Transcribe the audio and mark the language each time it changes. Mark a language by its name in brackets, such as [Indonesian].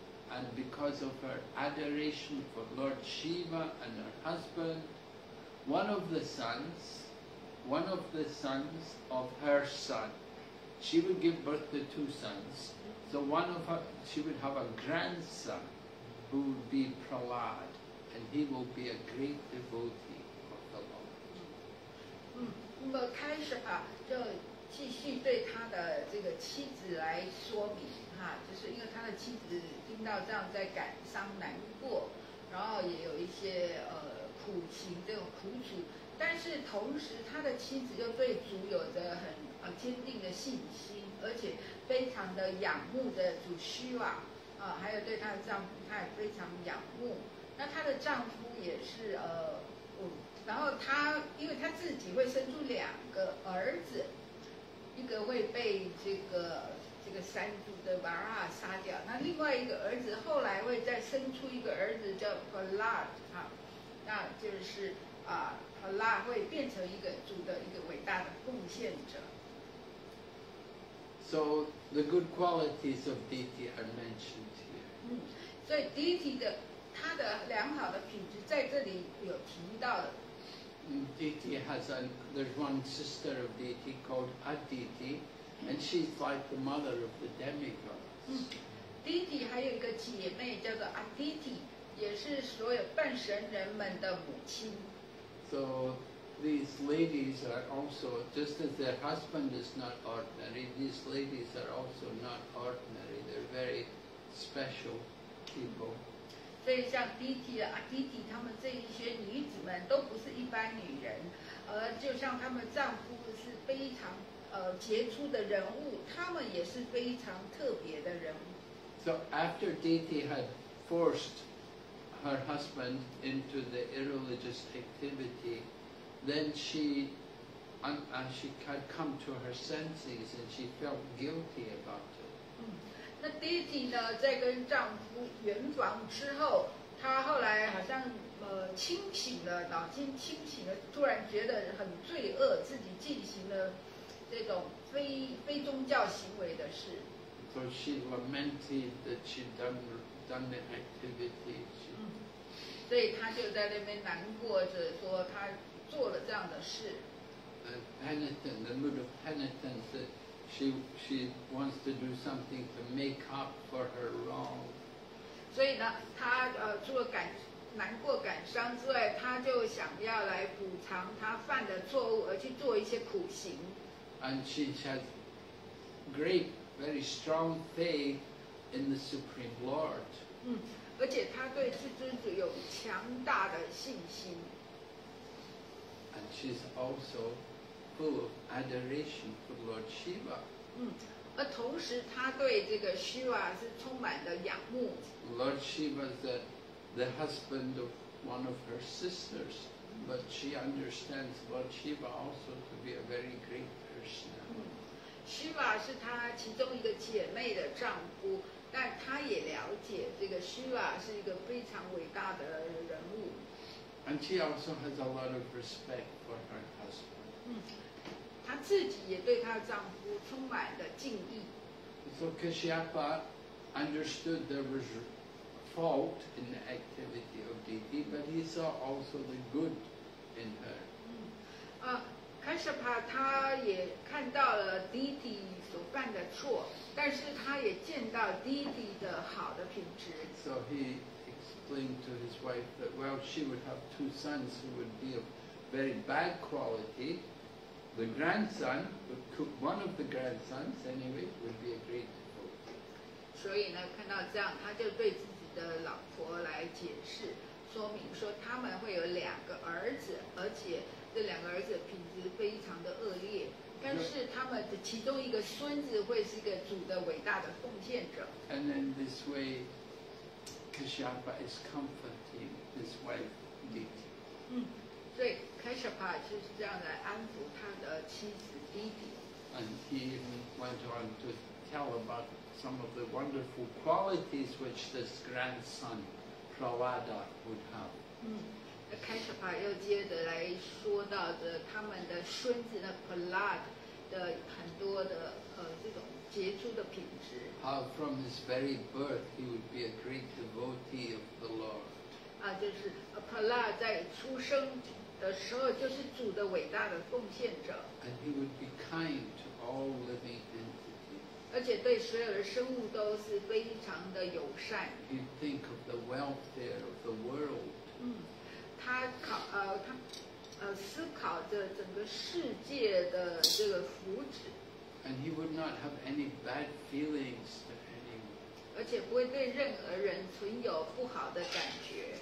[English] And because of her adoration for Lord Shiva and her husband, one of the sons of her son, she would give birth to two sons. So one of her, she would have a grandson who would be Prahlad, and he will be a great devotee of the Lord. [Chinese] 那么开始啊，就继续对他的这个妻子来说明。就是因为他的妻子听到这样在感伤难过，然后也有一些苦情这种苦楚，但是同时他的妻子又对主有着很坚定的信心，而且非常的仰慕的主虚瓦还有对他的丈夫他也非常仰慕，那他的丈夫也是然后他因为他自己会生出两个儿子，一个会被这个三族的瓦拉杀掉，那另外一个儿子后来会再生出一个儿子叫 Prahlad 那就是Prahlad 会变成一个族的一个伟大的贡献者。 [English] So the good qualities of Diti are mentioned here. [Chinese] 所以 Diti 的他的良好的品质在这里有提到的。 [English] Diti has there's one sister of Diti called Aditi. And she's like the mother of the demigods. [Chinese] Diti 还有一个姐妹叫做 Aditi， 也是所有半神人们的母亲。 [English] So these ladies are also just as their husband is not ordinary. These ladies are also not ordinary. They're very special people. [Chinese] 所以像 Diti、Aditi 他们这一些女子们都不是一般女人，而就像他们丈夫是非常。杰出的人物，他们也是非常特别的人物。 [English] So after Diti had forced her husband into the irreligious activity, then she had come to her senses and she felt guilty about it. [Chinese] 那 Diti 呢，在跟丈夫圆房之后，她后来好像清醒了，脑筋清醒了，突然觉得很罪恶，自己进行了这种非宗教行为的事。 [English] So she lamented that she'd done the activity. [Chinese] 所以她就在那边难过着，说她做了这样的事。 [English] The penitent, the mood of penitence that she wants to do something to make up for her wrong. [Chinese] 所以呢，她除了难过感伤之外，她就想要来补偿她犯的错误，而去做一些苦行。 [English] And she has great, very strong faith in the Supreme Lord. [Chinese] 而且她对至尊主有强大的信心。 [English] And she's also full of adoration for Lord Shiva. [Chinese] 而同时她对这个 Shiva 是充满了仰慕。 [English] Lord Shiva is the husband of one of her sisters, but she understands Lord Shiva also to be a very great personality. [Chinese] Shiva 是她其中一个姐妹的丈夫，但她也了解这个 Shiva 是一个非常伟大的人物。 [English] And she also has a lot of respect for her husband. [Chinese] 她自己也对她丈夫充满了敬意。 [English] So Kashyapa understood there was fault in the activity of Diti, but he saw also the good in her. [Chinese] Kashyapa, 他也看到了 Diti 所犯的错，但是他也见到 Diti 的好的品质。 [English] So he explained to his wife that, well, she would have two sons who would be of very bad quality. The grandson, one of the grandsons anyway, would be a great devotee. [Chinese] 所以呢，看到这样，他就对的老婆来解释，说明说他们会有两个儿子，而且这两个儿子品质非常的恶劣，但是他们的其中一个孙子会是一个主的伟大的奉献者。 [English] And then this way, Kashyapa is comforting his wife Diti. [Chinese] 所以 Kashyapa 就是这样来安抚他的妻子 Diti. [English] And he went on to tell about some of the wonderful qualities which this grandson, Prahlada, would have. [Chinese] Kashyapa 又接着来说到的他们的孙子的 Prahlada 的很多的这种杰出的品质。 [English] How from his very birth he would be a great devotee of the Lord. [Chinese] 就是 Prahlada 在出生的时候就是主的伟大的奉献者。 [English] And he would be kind to all living in. [Chinese] 而且对所有的生物都是非常的友善。 [English] You think of the welfare of the world. [Chinese] 他思考着整个世界的这个福祉。 [English] And he would not have any bad feelings to anyone. [Chinese] 而且不会对任何人存有不好的感觉。